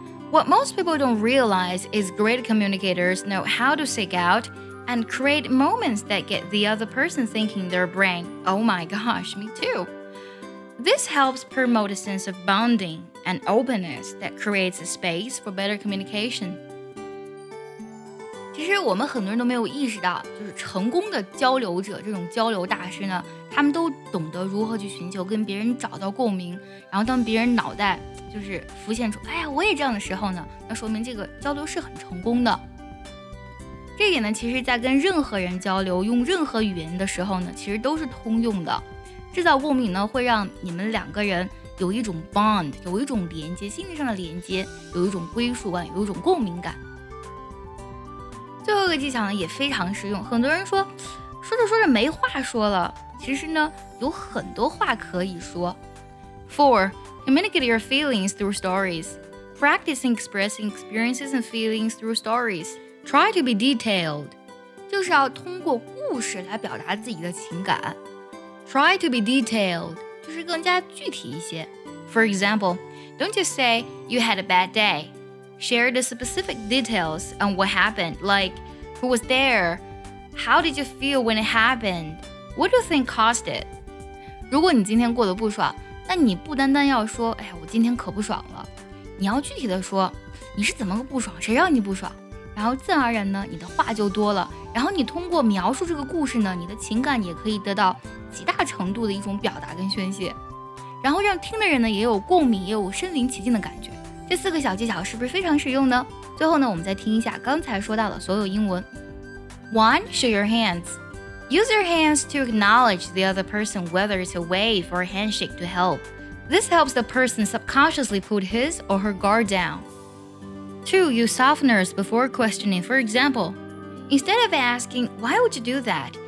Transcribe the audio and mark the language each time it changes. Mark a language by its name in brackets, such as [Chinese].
[English] What most people don't realize is great communicators know how to seek out and create moments that get the other person thinking in their brain, oh my gosh, me too. This helps promote a sense of bonding and openness that creates a space for better communication. [Chinese] 其实我们很多人都没有意识到，就是成功的交流者，这种交流大师呢，他们都懂得如何去寻求跟别人找到共鸣，然后当别人脑袋就是浮现出哎呀我也这样的时候呢，那说明这个交流是很成功的。这点呢其实在跟任何人交流用任何语言的时候呢其实都是通用的。制造共鸣呢会让你们两个人有一种 bond， 有一种连接，心理上的连接，有一种归属感，有一种共鸣感。最后一个技巧呢也非常实用，很多人说着说着没话说了，其实呢有很多话可以说。 [English] 4. Communicate your feelings through stories. Practice expressing experiences and feelings through stories. Try to be detailed. [Chinese] 就是要通过故事来表达自己的情感。 [English] Try to be detailed. [Chinese] 就是更加具体一些。 [English] For example, don't just say you had a bad day. Share the specific details on what happened, like who was there, how did you feel when it happened, what do you think caused it? [Chinese] 如果你今天过得不爽，那你不单单要说哎呀我今天可不爽了，你要具体的说你是怎么个不爽，谁让你不爽，然后自然而然呢你的话就多了，然后你通过描述这个故事呢你的情感也可以得到极大程度的一种表达跟宣泄，然后让听的人呢也有共鸣，也有身临其境的感觉。这四个小技巧是不是非常实用呢？最后呢，我们再听一下刚才说到的所有英文。 [English] One, show your hands. Use your hands to acknowledge the other person, whether it's a wave or a handshake to help. This helps the person subconsciously put his or her guard down. Two, use softeners before questioning. For example, instead of asking, why would you do that?